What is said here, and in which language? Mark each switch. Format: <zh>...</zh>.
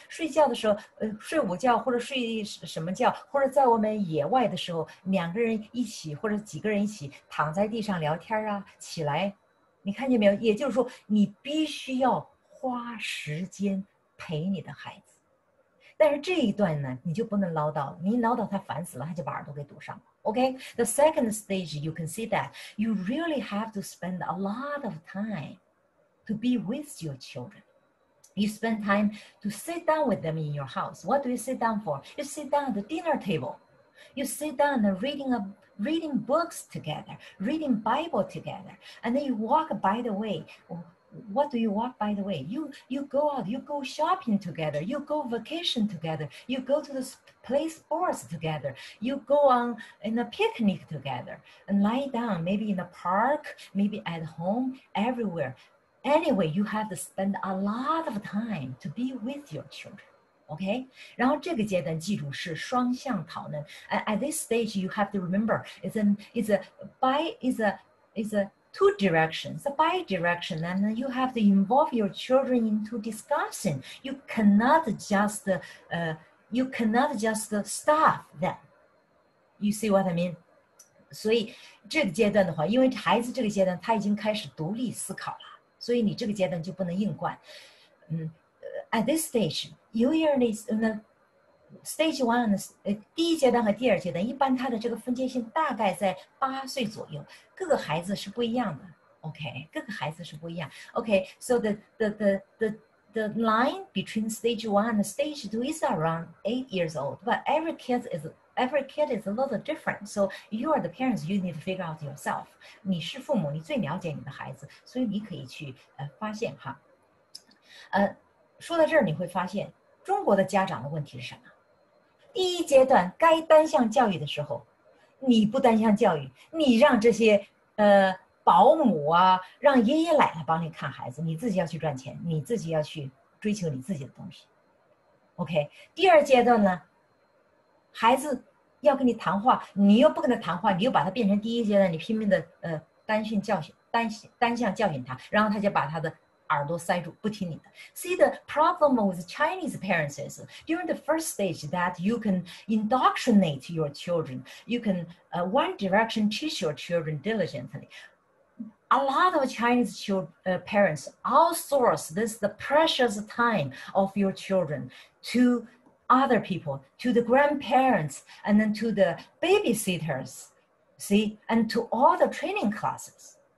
<zh>睡觉的时候，睡午觉或者睡什么觉，或者在我们野外的时候，两个人一起或者几个人一起躺在地上聊天啊，起来，你看见没有？也就是说，你必须要花时间陪你的孩子。但是这一段呢，你就不能唠叨了，你唠叨他烦死了，他就把耳朵给堵上了。</zh> <en>OK, the second stage, you can see that you really have to spend a lot of time to be with your children. You spend time to sit down with them in your house. What do you sit down for? You sit down at the dinner table. You sit down and reading books together, reading Bible together. And then you walk by the way. What do you walk by the way? You go out, you go shopping together, you go vacation together, you go to the play sports together, you go on in a picnic together, and lie down, maybe in the park, maybe at home, everywhere. Anyway, you have to spend a lot of time to be with your children. Okay?</en> <zh>然后这个阶段记住是双向讨论。</zh> <en>At this stage, you have to remember, it's a two directions, a bi-direction, and you have to involve your children into discussion. You cannot just stop them. You see what I mean?</en> <zh>所以这个阶段的话，因为孩子这个阶段他已经开始独立思考了，所以你这个阶段就不能硬灌。</zh> <en>At this stage, usually in the stage one,</en> <zh>第一阶段和第二阶段，一般他的这个分界线大概在八岁左右，各个孩子是不一样的。 OK, 各个孩子是不一样。</zh> <en>OK, so the line between stage one and stage two is around 8 years old, but every kid is a little different. So you are the parents, you need to figure out yourself.</en> <zh>你是父母，你最了解你的孩子，所以你可以去发现哈。说到这儿，你会发现中国的家长的问题是什么？第一阶段该单向教育的时候，你不单向教育，你让这些保姆啊，让爷爷奶奶帮你看孩子，你自己要去赚钱，你自己要去追求你自己的东西。 OK， 第二阶段呢，孩子要跟你谈话，你又不跟他谈话，你又把他变成第一阶段，你拼命的单向教训，单向教训他，然后他就把他的耳朵塞住，不听你的。</zh> <en>See the problem with Chinese parents is during the first stage that you can indoctrinate your children, you can one direction teach your children diligently. A lot of Chinese parents outsource this the precious time of your children to other people, to the grandparents, and then to the babysitters, see, and to all the training classes.</en>